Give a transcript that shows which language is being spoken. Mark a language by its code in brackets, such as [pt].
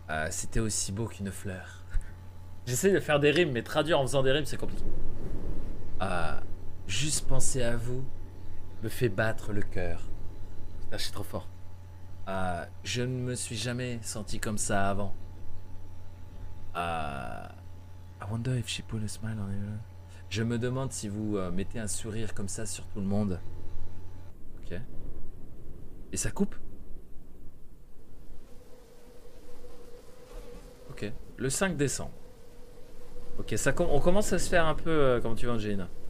[fr] C'était aussi beau qu'une fleur. J'essaie de faire des rimes, mais traduire en faisant des rimes, c'est compliqué. Juste penser à vous me fait battre le cœur. Putain, je suis trop fort. Je ne me suis jamais senti comme ça avant. [en] I wonder if she put a smile on you. [fr] Je me demande si vous mettez un sourire comme ça sur tout le monde. Ok. Et ça coupe? Ok. Le 5 décembre. Ok, ça on commence à se faire un peu comme tu veux, Angelina.